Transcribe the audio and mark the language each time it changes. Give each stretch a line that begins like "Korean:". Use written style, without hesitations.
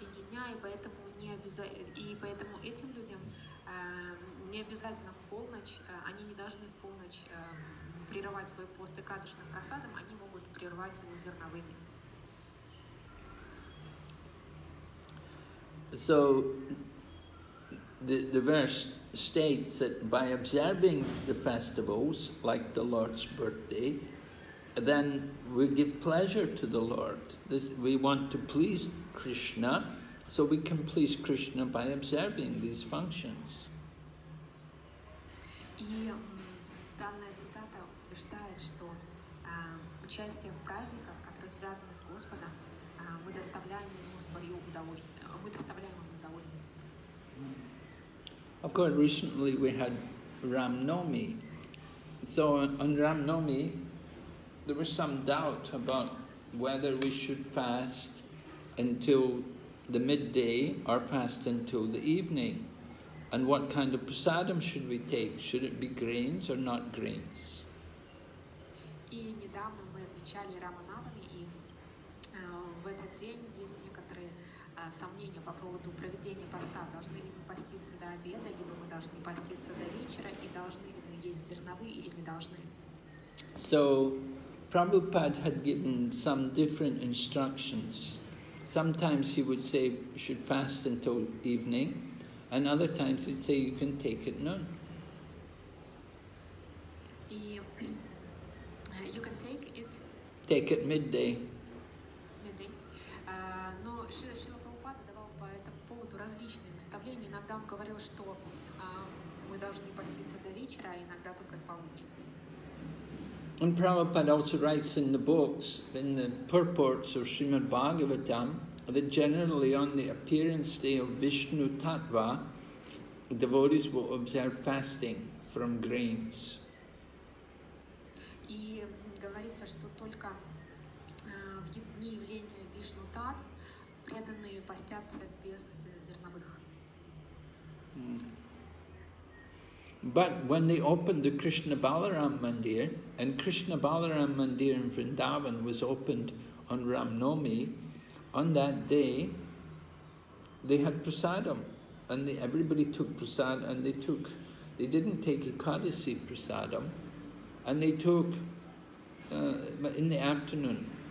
Russian: дня, и поэтому не обязательно, и поэтому этим людям не обязательно в полночь, они не должны в полночь прерывать свой пост экадышным просадом, они могут прервать его зерновыми.
English: So the verse states that by observing the festivals like the Lord's birthday, then we give pleasure to the Lord. This, we want to please Krishna, so we can please Krishna by observing these functions.
Russian: И данная цитата утверждает, что участие в праздниках, которые связаны с Господом, мы доставляем ему свое удовольствие, мы доставляем ему удовольствие.
English: Of course, recently we had Ram Nomi. So on Ram Nomi, there was some doubt about whether we should fast until the midday or fast until the evening, and what kind of prasadam should we take? Should it be grains or not grains?
Russian: И недавно мы отмечали Раманавами, и в этот день есть некоторые сомнения по поводу проведения поста. Должны ли мы поститься до обеда, либо мы должны поститься до вечера, и должны ли мы есть зерновые или не должны?
English: So Prabhupada had given some different instructions. Sometimes he would say you should fast until evening, and other times he'd say you can take at noon. You can take it. Take at midday. Midday.
Russian: Но Шрила Прабхупада давал по этому поводу различные наставления. Иногда он говорил, что мы должны поститься до вечера, а иногда только к полудню.
English: And Prabhupada also writes in the books, in the purports of Srimad Bhagavatam, that generally on the appearance day of Vishnu Tattva, devotees will observe fasting from grains.
Russian: И говорится, что только в дни явления Вишну Таттв преданные постятся без зерновых.
English: But when they opened the Krishna Balaram Mandir, and Krishna Balaram Mandir in Vrindavan was opened on Ram Nomi, on that day they had prasadam, and everybody took prasadam, and they didn't take Ekadasi prasadam, and they took in the afternoon.